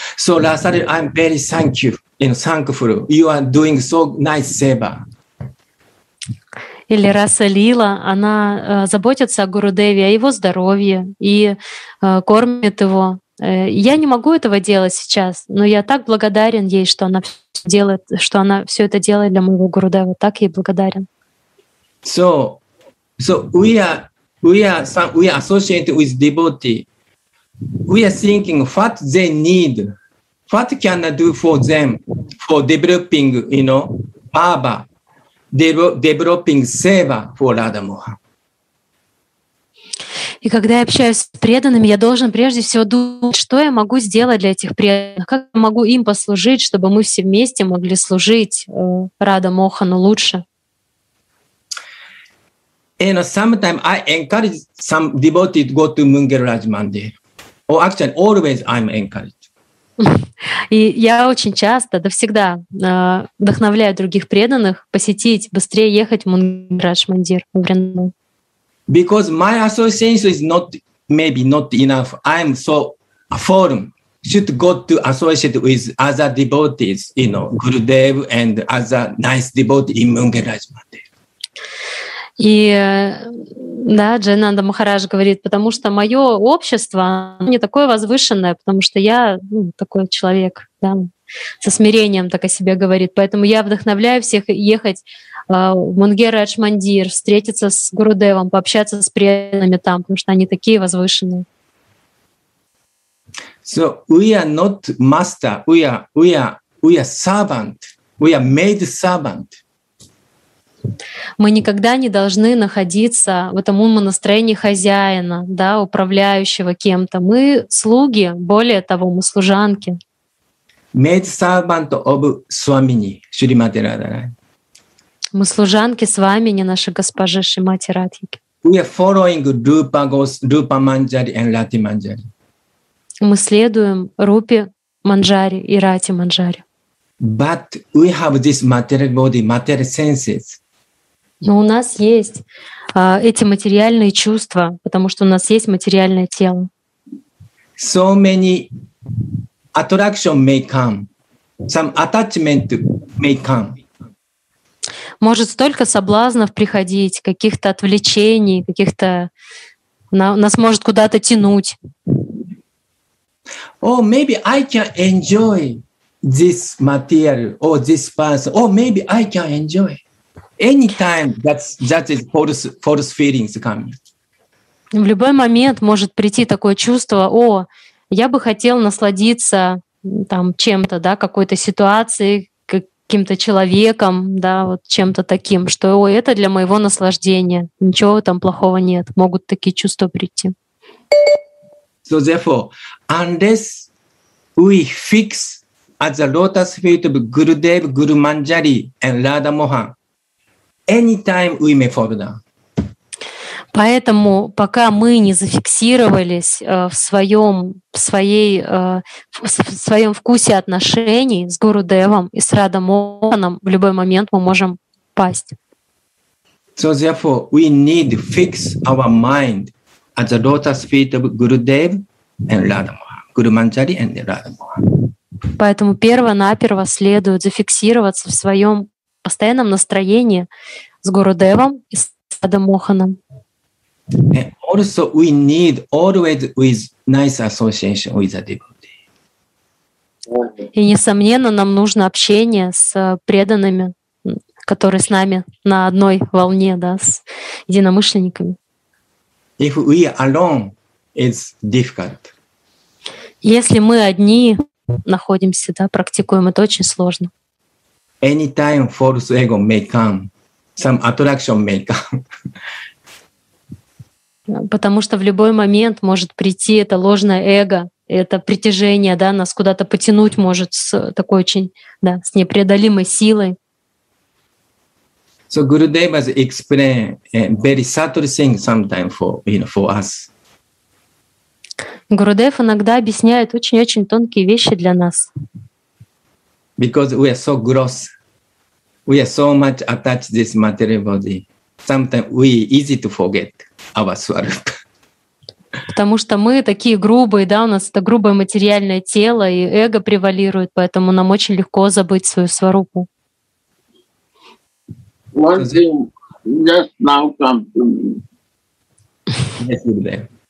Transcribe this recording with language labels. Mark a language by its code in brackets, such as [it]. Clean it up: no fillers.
[en] So Rasalila, I'm very thank you and thankful. You are doing so nice seva. [ru] Или Rasalila, она заботится о Гурудеве, о его здоровье и кормит его. Я не могу этого делать сейчас, но я так благодарен ей, что она все делает, что она все это делает для моего Гурудева. Так ей благодарен. [en] So we are associated with devotee. We are thinking what they need, what can I do for them, for developing, you know, Baba, developing seva for Radha Mohan. [ru] И когда я общаюсь с преданными, я должен прежде всего думать, что я могу сделать для этих преданных, как я могу им послужить, чтобы мы все вместе могли служить Радха Мохану лучше. [en] And sometimes I encourage some devotees to go to Munger Raj Mandir. Or actually, always I'm encouraged. [ru] И я очень часто, да всегда, вдохновляю других преданных посетить, быстрее ехать в Мунгер Радж Мандир, в Вриндаван. [en] Because my association is not, maybe not enough. I am so foreign. Should go to associate with other devotees, you know, Gurudev and other nice devotees in Mungir Raj Mandir. [ru] И, да, Джайнанда Махарадж говорит, потому что мое общество не такое возвышенное, потому что я, ну, такой человек, да, со смирением так о себе говорит. Поэтому я вдохновляю всех ехать в Мунгер Радж Мандир, встретиться с Гурудевом, пообщаться с преданными там, потому что они такие возвышенные. [en] So we are not master, we are servant, we are made servant. [ru] Мы никогда не должны находиться в этом умонастроении хозяина, да, управляющего кем-то. Мы слуги, более того, мы служанки. [en] Made servant of Swamini, Shrimati Radharani. [ru] Мы служанки Свамини, нашей госпожи Шримати Радхики. [en] We are following Rupa, Rupa Manjari and Rati Manjari. [ru] Мы следуем Рупе Манджари и Рати Манджари. [en] But we have this material body, material senses. [ru] Но у нас есть эти материальные чувства, потому что у нас есть материальное тело. [en] So many attraction may come, some attachment may come. [ru] Может столько соблазнов приходить, каких-то отвлечений, каких-то нас может куда-то тянуть. [en] Oh, maybe I can enjoy this material or this person. Oh, maybe I can enjoy. Anytime that is false feelings come. [ru] В любой момент может прийти такое чувство: о, я бы хотел насладиться там чем-то, да, какой-то ситуацией, каким-то человеком, да, вот чем-то таким, что о, это для моего наслаждения. Ничего там плохого нет. Могут такие чувства прийти. [en] So therefore, unless we fix at the lotus feet of Gurudev, Guru Manjari and Radha Mohan. Anytime we may fall down. [ru] Поэтому, пока мы не зафиксировались в своем вкусе отношений с Гуру Девом и с Радха Моханом, в любой момент мы можем пасть. [en] So therefore, we need to fix our mind at the lotus feet of Guru Dev and Radha Mohan, Guru Manjari and Radha Mohan. [ru] Поэтому перво-наперво следует зафиксироваться в своем постоянном настроении с Гуру Девом и с Радха Моханом. [en] Also we need always with nice association with the devotee. [ru] И несомненно, нам нужно общение с преданными, которые с нами на одной волне, да, с единомышленниками. [en] If we alone, it's difficult. [ru] Если мы одни находимся, да, практикуем, это очень сложно. [en] Anytime false ego may come, some attraction may come. [ru] Потому что в любой момент может прийти это ложное эго, это притяжение, да, нас куда-то потянуть может с такой очень, да, с непреодолимой силой. [en] So Guru Deva explain very subtle thing sometimes for us. [ru] Гуру Дев иногда объясняет очень-очень тонкие вещи для нас. [en] Because we are so gross. We are so much attached to this material body. Sometimes we easy to forget our swarup. [ru] Потому что мы такие грубые, да, у нас это грубое материальное тело, и эго превалирует, поэтому нам очень легко забыть свою сварупу. [en] One thing just now come to me.